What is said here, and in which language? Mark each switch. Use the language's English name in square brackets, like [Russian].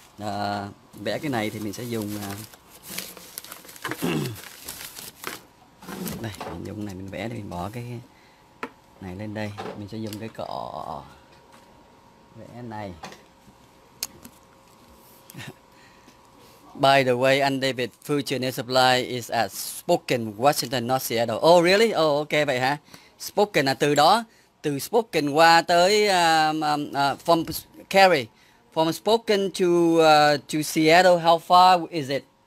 [Vietnamese] À, vẽ cái này thì mình sẽ dùng đây, mình dùng này mình vẽ thì mình bỏ cái này lên đây, mình sẽ dùng cái cọ vẽ này. [English] By the way, anh David Future Supply is at Spokane, Washington, not Seattle. Oh, really? [Vietnamese] Oh, ok, vậy hả? Spokane là từ đó, từ Spokane qua tới, from [English] Carrie, from Spokane to Seattle, how far is it?